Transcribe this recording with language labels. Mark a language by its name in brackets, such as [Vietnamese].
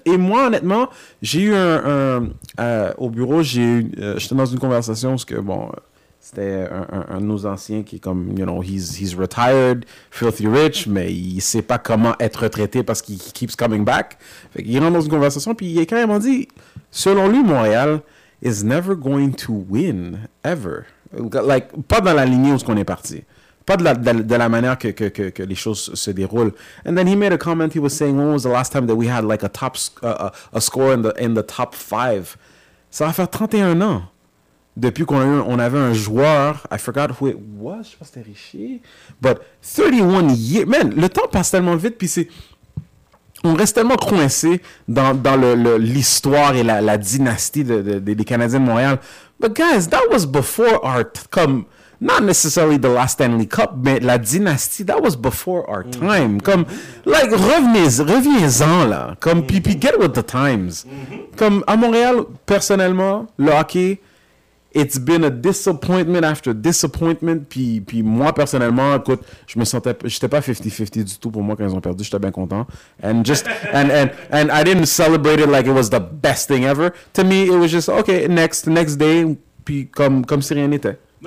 [French] Et moi, honnêtement, j'ai eu au bureau, j'étais dans une conversation parce que, bon, c'était un de nos anciens qui est comme, [English] you know, he's retired, filthy rich, [French] mais il sait pas comment être traité parce qu'il [English] keeps coming back. [French] Fait qu'il rentre dans une conversation, puis il a carrément dit, selon lui, Montréal [English] is never going to win, ever. [French] Like, pas dans la lignée où est-ce qu'on est parti. Pas de la manière que les choses se déroulent. [English] And then he made a comment, he was saying, when was the last time that we had like a score in the top five? [French] Ça va faire 31 ans depuis qu'on avait un joueur, [English] I forgot who it was, [French] je pense que c'était Richie, [English] but 31 years, man, [French] le temps passe tellement vite, puis c'est, on reste tellement coincé dans l'histoire et la dynastie des Canadiens de Montréal. [English] But guys, that was before Art, comme... Not necessarily the last Stanley Cup, but la dynastie, that was before our time. [French] Mm-hmm. Comme, like, reviens-en, là. Comme, mm-hmm. puis [English] get with the times. Mm-hmm. [French] Comme, à Montréal, personnellement, le hockey, [English] it's been a disappointment after disappointment. [French] Puis moi, personnellement, écoute, je me sentais, j'étais pas 50-50 du tout pour moi quand ils ont perdu, j'étais bien content. [English] And just, and I didn't celebrate it like it was the best thing ever. To me, it was just, okay, next day, [French] puis comme si rien n'était.